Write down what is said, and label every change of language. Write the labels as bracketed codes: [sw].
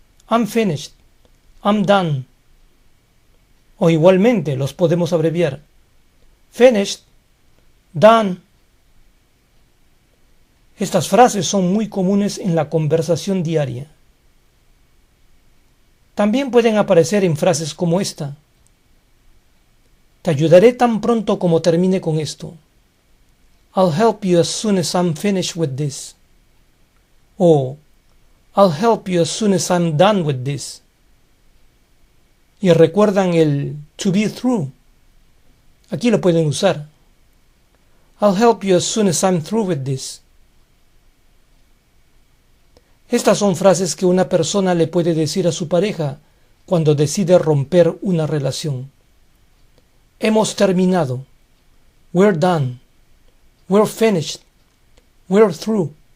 [en] I'm finished. I'm done. [es] O igualmente los podemos abreviar. [en] Finished. Done. [es] Estas frases son muy comunes en la conversación diaria. También pueden aparecer en frases como esta. Te ayudaré tan pronto como termine con esto. [en] I'll help you as soon as I'm finished with this. O I'll help you as soon as I'm done with this. [es] Y recuerdan el to be through. Aquí lo pueden usar. [en] I'll help you as soon as I'm through with this. [es] Estas son frases que una persona le puede decir a su pareja cuando decide romper una relación. Hemos terminado. [en] We're done. We're finished. We're through.